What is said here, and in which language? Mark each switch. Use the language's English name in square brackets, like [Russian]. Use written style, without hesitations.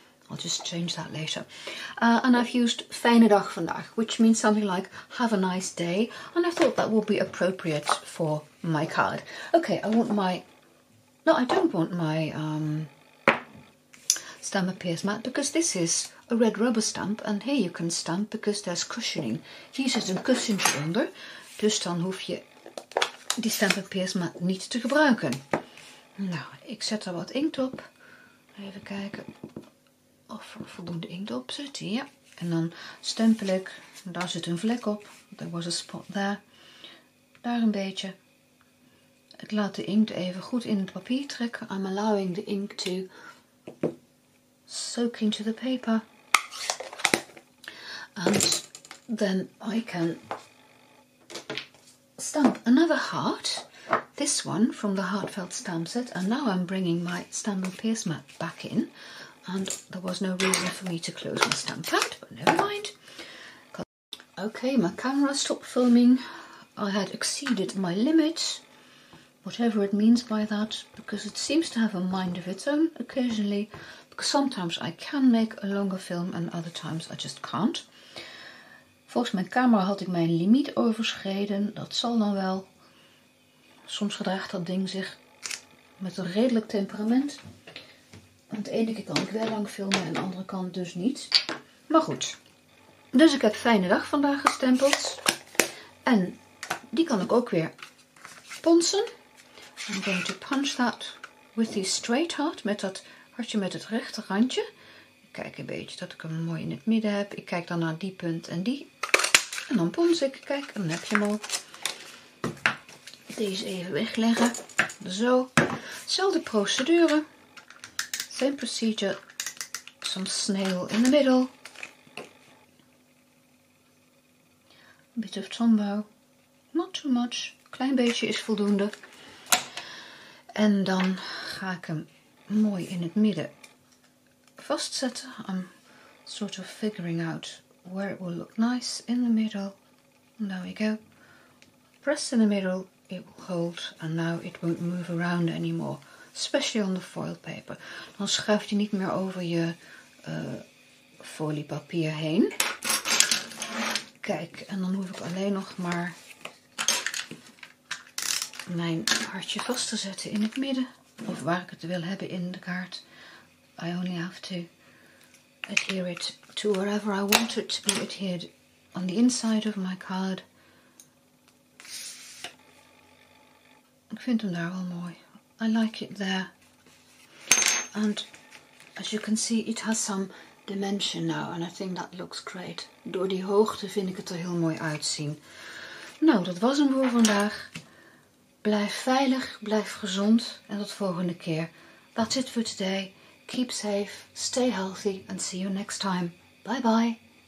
[English] I'll just change that later. And I've used [Dutch] fijne dag vandaag, [English] which means something like have a nice day. And I thought that would be appropriate for my card. Okay, I want my... No, I don't want my stamp appears mat because this is a red rubber stamp. And here you can stamp because there's cushioning. [Dutch] Hier zit een kussentje onder. Dus dan hoef je die stamp appears mat niet te gebruiken. Nou, ik zet er wat inkt op. Even kijken of er voldoende inkt op zit. Ja. En dan stempel ik. Daar zit een vlek op. [English] There was a spot there. [Dutch] Daar een beetje. Ik laat de inkt even goed in het papier trekken. [English] I'm allowing the ink to soak into the paper. And then I can stamp another heart. This one from the Heartfelt stamp set. And now I'm bringing my stamp and pierce mat back in. And there was no reason for me to close my stamp pad, but never mind. Okay, my camera stopped filming. I had exceeded my limit. Whatever it means by that, because it seems to have a mind of its own occasionally. Because sometimes I can make a longer film and other times I just can't. [Dutch] Volgens mijn camera had ik mijn limiet overschreden. Dat zal dan wel. Soms gedraagt dat ding zich met een redelijk temperament. Aan de ene keer kan ik wel lang filmen en aan de andere kant dus niet. Maar goed. Dus ik heb fijne dag vandaag gestempeld. En die kan ik ook weer ponsen. [English] I'm going to punch that with the straight heart. [Dutch] Met dat hartje met het rechte randje. Ik kijk een beetje dat ik hem mooi in het midden heb. Ik kijk dan naar die punt en die. En dan pons ik. Kijk, dan heb je hem al. Deze even wegleggen. Zo. Zelfde procedure. [English] Same procedure. Some snail in the middle. Bit of Tombow. Not too much. [Dutch] Klein beetje is voldoende. En dan ga ik hem mooi in het midden vastzetten. [English] I'm sort of figuring out where it will look nice in the middle. And there we go. Press in the middle, it will hold. And now it won't move around anymore. Especially on the foil paper. [Dutch] Dan schuif je niet meer over je foliepapier heen. Kijk, en dan hoef ik alleen nog maar mijn hartje vast te zetten in het midden. Of waar ik het wil hebben in de kaart. [English] I only have to adhere it to wherever I want it to be adhered on the inside of my card. [Dutch] Ik vind hem daar wel mooi. [English] I like it there. And as you can see, it has some dimension now. And I think that looks great. [Dutch] Door die hoogte vind ik het er heel mooi uitzien. Nou, dat was hem voor vandaag. Blijf veilig, blijf gezond en tot volgende keer. [English] That's it for today. Keep safe, stay healthy and see you next time. Bye bye.